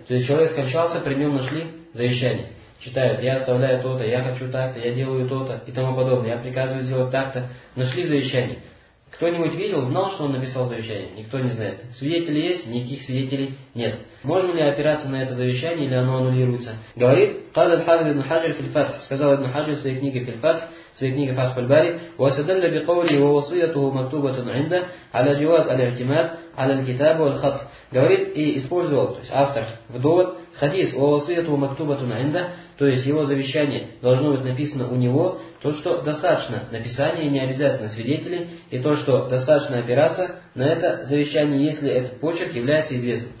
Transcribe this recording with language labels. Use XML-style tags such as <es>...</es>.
<ru>То есть человек скончался, при нем нашли завещание. Читают, я оставляю то-то, я хочу так-то, я делаю то-то и тому подобное, я приказываю сделать так-то. Нашли завещание. Кто-нибудь видел, знал, что он написал завещание? Никто не знает. Свидетели есть? Никаких свидетелей нет. Можно ли опираться на это завещание или оно аннулируется? Говорит,</ru> <ar>قال الحافظ ابن حجر في الفتح,</ar> <ru>сказал</ru> <ar>ابن حجر</ar> <ru>в своей книге</ru> <ar>في الفتح, в своей книге فتح الباري, واستدل بقوله ووصيته مكتوبة عنده على جواز الاعتماد على الكتاب والخط.</ar> <ru>Говорит, и использовал, то есть автор, в довод, хадис,</ru> <ar>ووصيته مكتوبة عنده,</ar> <ru>то есть его завещание должно быть написано у него, то, что достаточно написания, не обязательно свидетелей, и то, что достаточно опираться на это завещание, если этот почерк является известным.</ru>